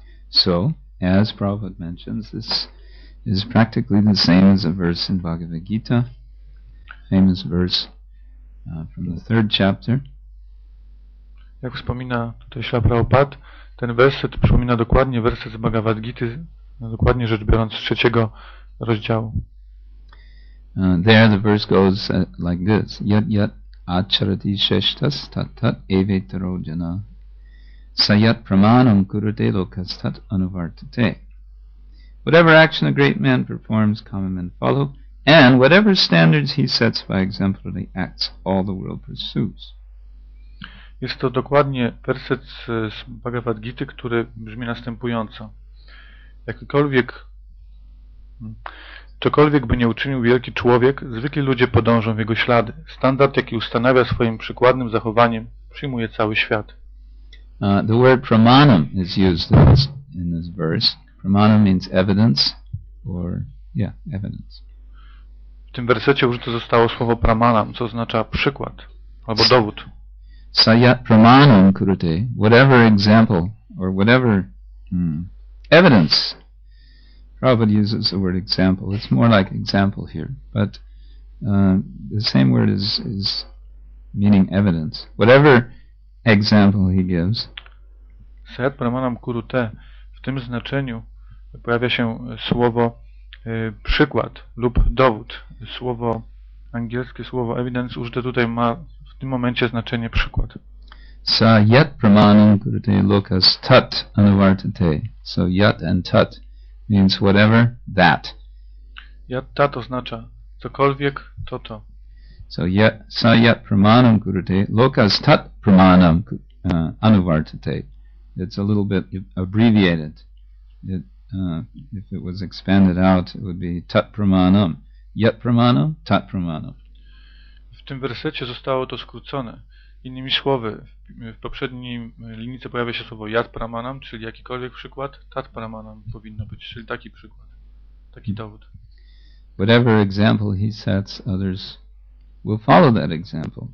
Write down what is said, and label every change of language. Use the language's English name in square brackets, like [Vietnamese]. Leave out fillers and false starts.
[English] So, as Prabhupada mentions, this is practically the same as a verse in Bhagavad Gita, famous verse from the third chapter. [Polish] Jak wspomina tutaj Śrīla Prabhupāda, ten werset przypomina dokładnie werset z Bhagavad Gita, dokładnie rzecz biorąc, z trzeciego rozdziału. [English] There the verse goes like this: [Sanskrit] Yat yat acharati śeṣṭas tat tat evetaro jana sayat pramānam kurute lokas tat anuvartate. [English] Whatever action a great man performs, common men follow, and whatever standards he sets by exemplary acts, all the world pursues. [Polish] Jest to dokładnie werset z Bhagavad Gita, który brzmi następująco. Jakikolwiek, cokolwiek by nie uczynił wielki człowiek, zwykli ludzie podążą w jego ślady. Standard, jaki ustanawia swoim przykładnym zachowaniem, przyjmuje cały świat. [English] The word pramanam is used in this verse. Pramanam means evidence or, yeah, evidence. [Polish] W tym wersecie użyte zostało słowo pramanam, co oznacza przykład albo dowód. [Sanskrit] Sayat pramanam kurute, [English] whatever example or whatever evidence. Prabhupada uses the word example. It's more like example here, but the same word is meaning evidence. Whatever example he gives. [Sanskrit] Sayat pramanam kurute, [Polish] w tym znaczeniu pojawia się słowo przykład lub dowód. Słowo angielskie, słowo evidence użyte tutaj ma w tym momencie znaczenie przykład. [Sanskrit] Sa yat pramanam kurute lokas tat anuvartate. [English] So yat and tat means whatever, that. [Polish] Yat tat oznacza cokolwiek, to to. [Sanskrit] So yat, sa yat pramanam kurute lokas tat pramanam anuvartate. [English] It's a little bit abbreviated. If it was expanded out, it would be tat pramanam. [Sanskrit] Yat pramanam, tat pramanam. [Polish] W tym wersecie zostało to skrócone. Innymi słowy, w poprzedniej linijce pojawia się słowo yat pramanam, czyli jakikolwiek przykład, tat pramanam powinno być, czyli taki przykład, taki dowód. [English] Whatever example he sets, others will follow that example.